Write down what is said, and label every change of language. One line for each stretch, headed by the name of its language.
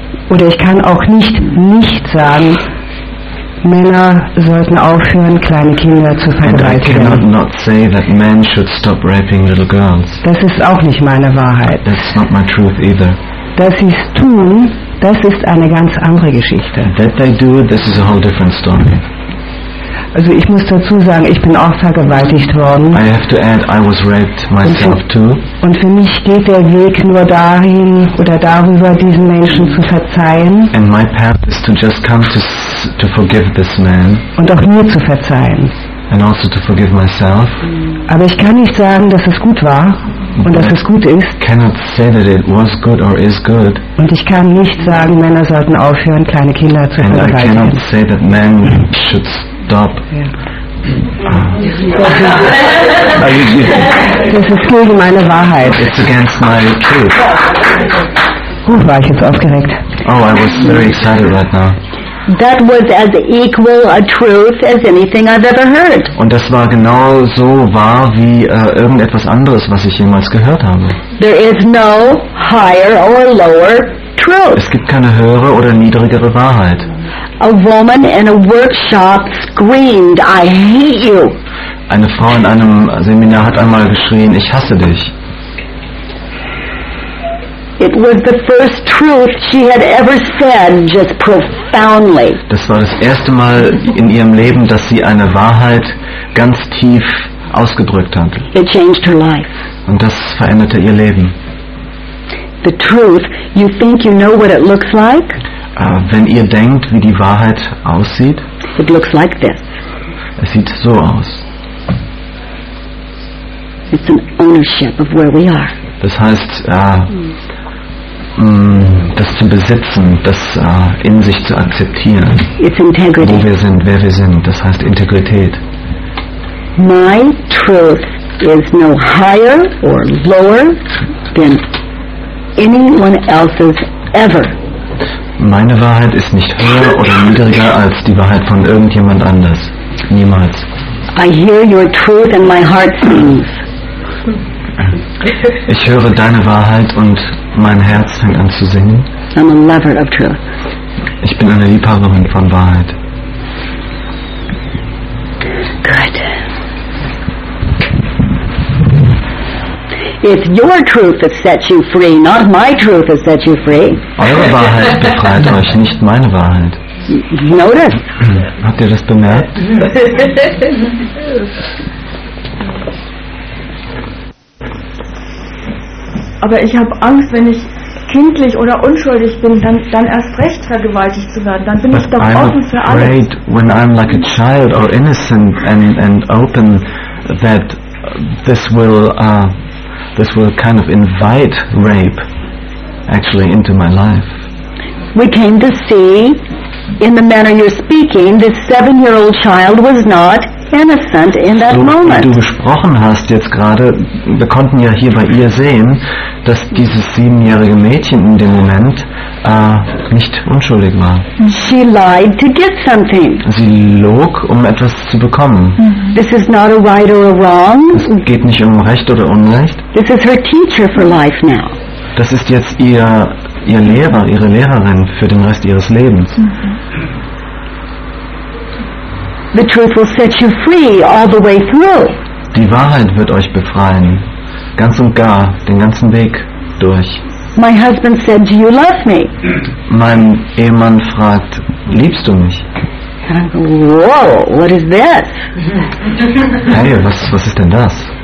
German: Oder ich kann auch nicht nicht sagen, Männer sollten aufhören, kleine Kinder zu vergewaltigen.
English: And I cannot not say that men should stop raping little girls.
German: Das ist auch nicht meine Wahrheit.
English: That's not my truth either.
German: Dass sie es tun, das ist eine ganz andere Geschichte.
English: That they do it, this is a whole different story.
German: Also ich muss dazu sagen, ich bin auch vergewaltigt worden.
English: I have to add, I was raped myself too.
German: Und für mich geht der Weg nur dahin oder darüber, diesen Menschen zu verzeihen.
English: And my path is to just come to forgive this man.
German: Und auch mir zu verzeihen.
English: And also to forgive myself.
German: Aber ich kann nicht sagen, dass es gut war und dass es gut ist.
English: Cannot say that it was good or is good.
German: Und ich kann nicht sagen, Männer sollten aufhören, kleine Kinder zu vergewaltigen.
English: And I cannot say that men should stop.
German: Das ist gegen meine Wahrheit.
English: It's against my truth.
German: Gut, war ich jetzt aufgeregt.
English: Oh, I was very excited right now. That was as equal a truth as anything I've ever heard.
German: Und das war genau so wahr wie irgendetwas anderes, was ich jemals gehört habe.
English: There is no higher or lower truth.
German: Es gibt keine höhere oder niedrigere Wahrheit.
English: A woman in a workshop screamed, "I hate you."
German: Eine Frau in einem Seminar hat einmal geschrien, "Ich hasse dich."
English: It was the first truth she had ever said, just profoundly.
German: Das war das erste Mal in ihrem Leben, dass sie eine Wahrheit ganz tief ausgedrückt hat.
English: It changed her life.
German: Und das veränderte ihr Leben.
English: The truth, you think you know what it looks like?
German: Wenn ihr denkt, wie die Wahrheit aussieht?
English: It looks like this.
German: Es sieht so aus.
English: It's an ownership of where we are.
German: Das heißt, das zu besitzen, das in sich zu akzeptieren.
English: It's integrity.
German: Wo wir sind, wer wir sind, das heißt Integrität.
English: My truth is no higher or lower than anyone else's ever.
German: Meine Wahrheit ist nicht höher oder niedriger als die Wahrheit von irgendjemand anders. Niemals.
English: I hear your truth and my heart sings.
German: Ich höre deine Wahrheit und mein Herz fängt an zu singen.
English: I'm a lover of truth.
German: Ich bin eine Liebhaberin von Wahrheit.
English: Good. It's your truth that sets you free, not my truth that sets you free.
German: Eure Wahrheit befreit euch, nicht meine Wahrheit.
English: Notice.
German: Habt ihr das bemerkt? Aber ich habe Angst, wenn ich kindlich oder unschuldig bin, dann erst recht vergewaltigt zu werden. Dann bin
English: But
German: ich doch
English: I'm
German: offen für alles.
English: Afraid, when I'm like a child or innocent and open, that this will kind of invite rape, actually, into my life. We came to see, in the manner you're speaking, this 7-year-old child was not innocent in that moment.
German: So wie du gesprochen hast jetzt gerade, wir konnten ja hier bei ihr sehen, dass dieses 7-jährige Mädchen in dem Moment nicht unschuldig war.
English: She lied to get something.
German: Sie log, um etwas zu bekommen.
English: This is not a right or a wrong.
German: Es geht nicht um Recht oder Unrecht.
English: This is her teacher for life now.
German: Das ist jetzt ihr Lehrer, ihre Lehrerin für den Rest ihres Lebens.
English: The truth will set you free all the way through.
German: Die Wahrheit wird euch befreien, ganz und gar, den ganzen Weg durch.
English: My husband said, "Do you love me?"
German: Mein Ehemann fragt, liebst du mich?
English: Whoa, what is this?
German: Hey, was ist denn das?